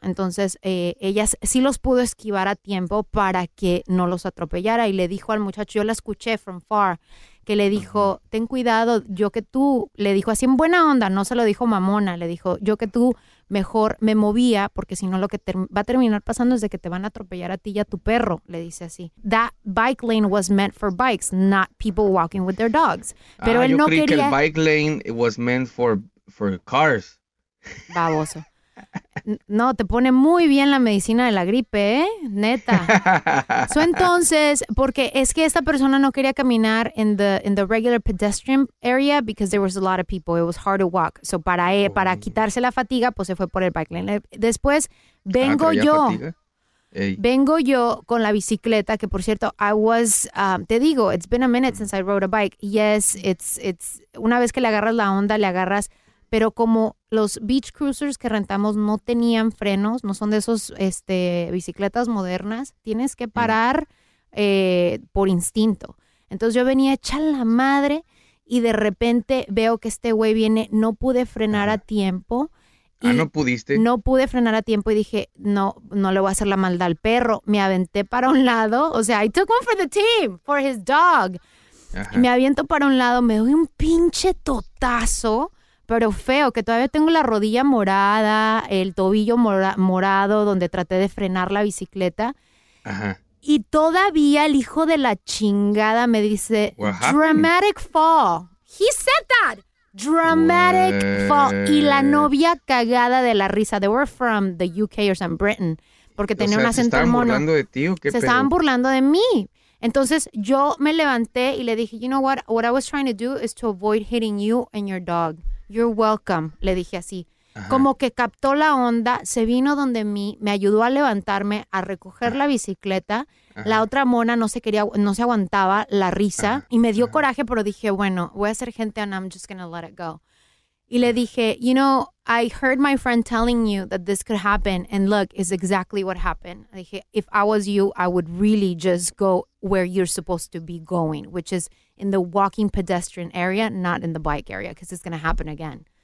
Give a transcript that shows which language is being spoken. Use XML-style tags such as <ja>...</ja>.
<es>Entonces, ella sí los pudo esquivar a tiempo para que no los atropellara y le dijo al muchacho, yo la escuché</es> <en>from far,</en> <es>que le dijo, ten cuidado, yo que tú, le dijo así en buena onda, no se lo dijo mamona, le dijo, yo que tú mejor me movía porque si no lo que va a terminar pasando es de que te van a atropellar a ti y a tu perro, le dice así.</es> <en>That bike lane was meant for bikes, not people walking with their dogs. Pero</en> <es>yo él no creí que quería...</es> <en>el bike lane was meant for, for the cars.</en> <es>Baboso. No, te pone muy bien la medicina de la gripe, ¿eh?</es> <en>Neta. So,</en> <es>entonces, porque es que esta persona no quería caminar</es> <en>in the regular pedestrian area because there was a lot of people. It was hard to walk.</en> <es>So, para quitarse la fatiga, pues se fue por el bike lane. Después, vengo yo. Hey. Vengo yo con la bicicleta, que por cierto, te digo,</es> <en>it's been a minute since I rode a bike.</en> <es>Yes, it's una vez que le agarras la onda, le agarras, pero como los beach cruisers que rentamos no tenían frenos, no son de esos bicicletas modernas, tienes que parar por instinto. Entonces yo venía hecha la madre y de repente veo que este güey viene, no pude frenar a tiempo. Y ah, ¿no pudiste? No pude frenar a tiempo y dije, no, no le voy a hacer la maldad al perro. Me aventé para un lado, o sea,</es> <en>I took one for the team, for his dog.</en> <es>Ajá. Me aviento para un lado, me doy un pinche totazo, pero feo, que todavía tengo la rodilla morada, el tobillo morado donde traté de frenar la bicicleta. Ajá. Y todavía el hijo de la chingada me dice,</es> <en>dramatic fall. He said that. Dramatic fall.</en> <es>Y la novia cagada de la risa.</es> <en>They were from the UK or some Britain.</en> <es>Porque tenía un acento mono. ¿Se estaban burlando de ti o qué? Se estaban burlando de mí. Entonces yo me levanté y le dije,</es> <en>you know what? What I was trying to do is to avoid hitting you and your dog. You're welcome.</en> <es>Le dije así. Ajá. Como que captó la onda, se vino donde mí, me ayudó a levantarme, a recoger la bicicleta. Ajá. La otra mona no se aguantaba la risa. Ajá. Y me dio coraje, pero dije, bueno, voy a ser gente</es> <en>and I'm just gonna let it go.</en> <es>Y le dije,</es> <en>you know, I heard my friend telling you that this could happen and look, it's exactly what happened. Dije, if I was you, I would really just go where you're supposed to be going, which is in the walking pedestrian area, not in the bike area, because it's gonna happen again.</en>